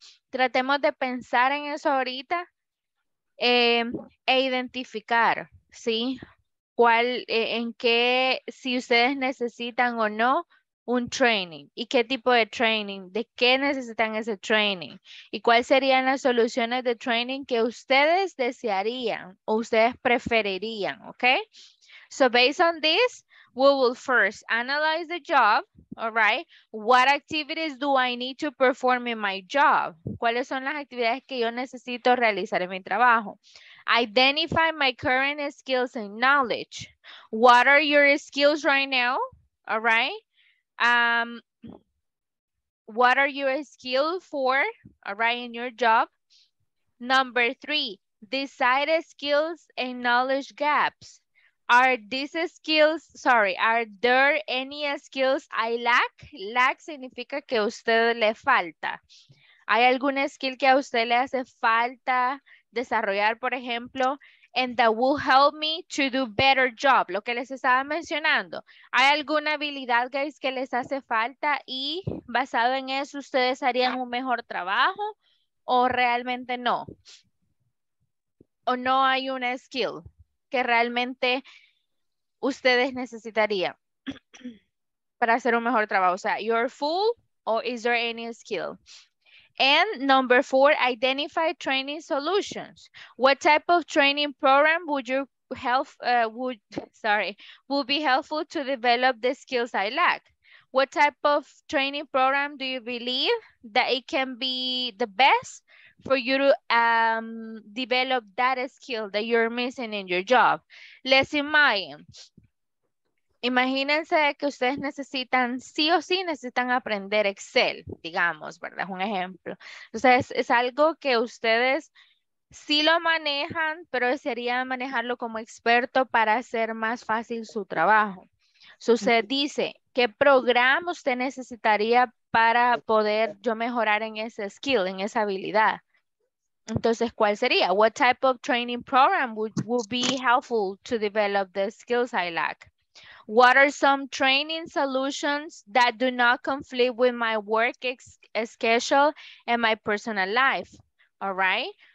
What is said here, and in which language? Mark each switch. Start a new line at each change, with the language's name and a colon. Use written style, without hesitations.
Spanish: Tratemos de pensar en eso ahorita e identificar, ¿sí? ¿Cuál, en qué, si ustedes necesitan o no un training? ¿Y qué tipo de training? ¿De qué necesitan ese training? ¿Y cuáles serían las soluciones de training que ustedes desearían o ustedes preferirían? ¿Ok?
English: So based on this, we will first analyze the job, all right? What activities do I need to perform in my job?
Spanish: ¿Cuáles son las actividades que yo necesito realizar en mi trabajo?
English: Identify my current skills and knowledge. What are your skills right now, all right? What are your skills for, all right, in your job? Number three, decide skills and knowledge gaps. Are these skills, sorry, are there any skills I lack?
Spanish: Lack significa que a usted le falta. ¿Hay alguna skill que a usted le hace falta desarrollar, por ejemplo?
English: And that will help me to do better job,
Spanish: lo que les estaba mencionando. ¿Hay alguna habilidad, guys, que les hace falta y basado en eso ustedes harían un mejor trabajo o realmente no? ¿O no hay una skill que realmente ustedes necesitarían para hacer un mejor trabajo? O sea,
English: you're full, or is there any skill? And number four, identify training solutions. What type of training program would you help, would be helpful to develop the skills I lack? What type of training program do you believe that it can be the best for you to develop that skill that you're missing in your job? Let's imagine.
Spanish: Imagínense que ustedes necesitan, sí o sí necesitan aprender Excel, digamos, ¿verdad? Es un ejemplo. Entonces, es algo que ustedes sí lo manejan, pero desearía manejarlo como experto para hacer más fácil su trabajo. Usted dice, ¿qué programa usted necesitaría para poder yo mejorar en ese skill, en esa habilidad? Entonces, ¿cuál sería?
English: What type of training program would be helpful to develop the skills I lack? What are some training solutions that do not conflict with my work schedule and my personal life? All right.